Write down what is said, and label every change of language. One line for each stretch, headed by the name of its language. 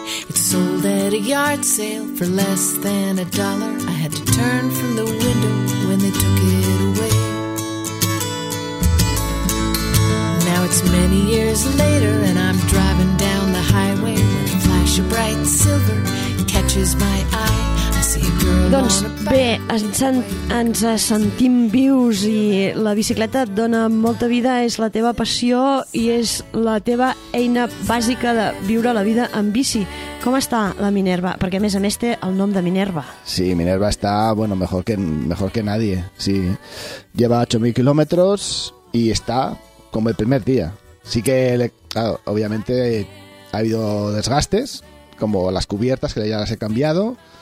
English: It sold at a yard sale for less than a dollar. I had to turn from the window when they took it away. Now it's many years later and I'm driving down the highway. When a flash of bright silver catches my eye, I see
Catalan: Doncs bé, ens sentim vius i la bicicleta et dona molta vida, és la teva passió i és la teva eina bàsica de viure la vida en bici. Com està la Minerva? Perquè a més té el nom de Minerva.
Spanish: Sí, Minerva està, bueno, mejor que nadie, sí. Lleva 8.000 kilómetros y está como el primer día. Sí que, claro, obviamente ha habido desgastes, como las cubiertas, que ya las he cambiado.